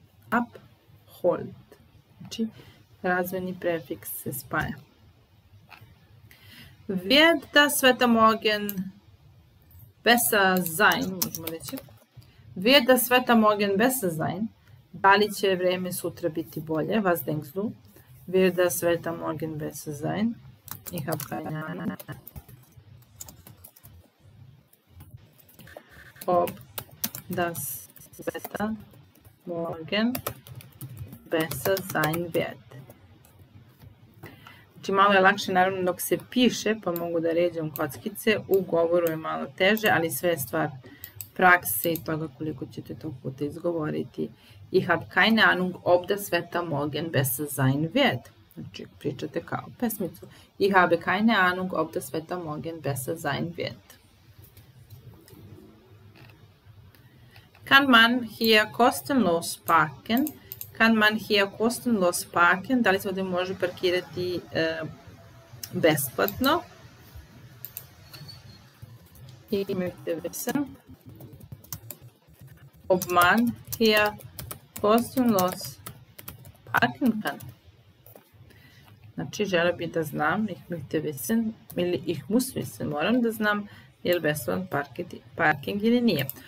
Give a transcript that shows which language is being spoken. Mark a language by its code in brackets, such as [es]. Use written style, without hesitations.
[sr] Abholt. Znači, razvojni prefiks se spaja. [de] Wird das Wetter morgen besser sein? [sr] Možemo reći. [de] Wird das Wetter morgen besser sein? [sr] Da li će vreme sutra biti bolje? [de] Was denkst du? Wird das Wetter morgen besser sein? Ich habe keine Ahnung. Ob das Wetter morgen besser sein wird. [sr] Znači, malo je lakše, naravno, dok se piše, pa mogu da ređam kockice, u govoru je malo teže, ali sve je stvar prakse i toga koliko ćete to puta izgovoriti. [de] Ich habe keine Ahnung, ob das Wetter morgen besser sein wird. [sr] Znači, pričate kao pesmicu. [de] Ich habe keine Ahnung, ob das Wetter morgen besser sein wird. Kann man hier kostenlos parken? Kann man hier kostenlos parken? [sr] Da li se ovde može parkirati besplatno? [de] Ich möchte wissen, ob man hier kostenlos parken kann. [sr] Znači, žele bi da znam, [de] ich möchte wissen, [sr] ili [de] ich muss wissen, [sr] moram da znam, je li besplatan parking ili nije.